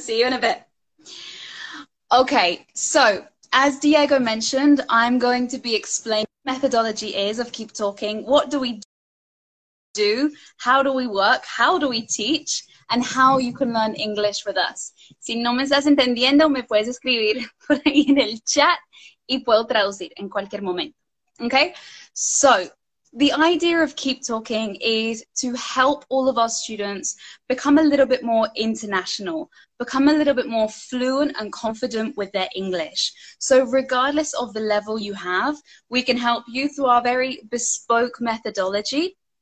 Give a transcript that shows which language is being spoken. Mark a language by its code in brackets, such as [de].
[en] See you in a bit. Okay, so as Diego mentioned, I'm going to be explaining what the methodology is of Keep Talking. What do we do? How do we work? How do we teach? And how you can learn English with us. [es] Si no me estás entendiendo, me puedes escribir por ahí en el chat y puedo traducir en cualquier momento. [en] Okay? So, the idea of Keep Talking is to help all of our students become a little bit more international, become a little bit more fluent and confident with their English. So regardless of the level you have, we can help you through our very bespoke methodology